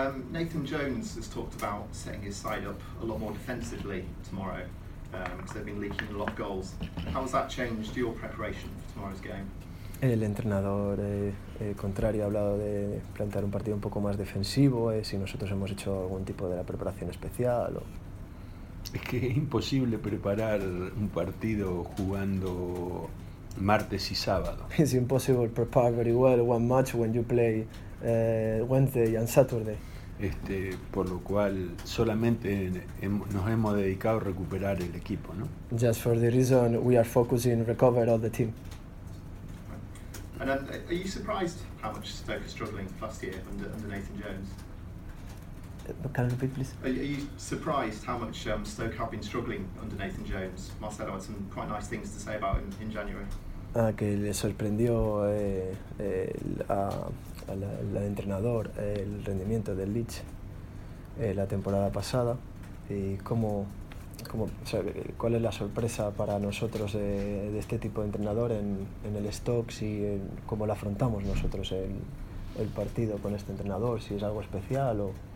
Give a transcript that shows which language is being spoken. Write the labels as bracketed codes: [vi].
[en] Nathan Jones has talked about setting his side up a lot more defensively tomorrow because they've been leaking a lot of goals. How has that changed your preparation for tomorrow's game? [es] El entrenador contrario ha hablado de plantear un partido un poco más defensivo, si nosotros hemos hecho algún tipo de la preparación especial o... Es que es imposible preparar un partido jugando martes y sábado. [en] It's impossible to prepare very well one match when you play Wednesday and Saturday. [es] Por lo cual solamente nos hemos dedicado a recuperar el equipo, ¿no? [en] Just for the reason we are focusing recover all the team. And are you surprised how much Stoke is struggling last year under Nathan Jones? Can I repeat, please? Are you surprised how much Stoke have been struggling under Nathan Jones? Marcelo had some quite nice things to say about him in January. [es] Que le sorprendió al entrenador el rendimiento del Leeds la temporada pasada y cuál es la sorpresa para nosotros de este tipo de entrenador en el Stokes y cómo lo afrontamos nosotros el partido con este entrenador, si es algo especial o...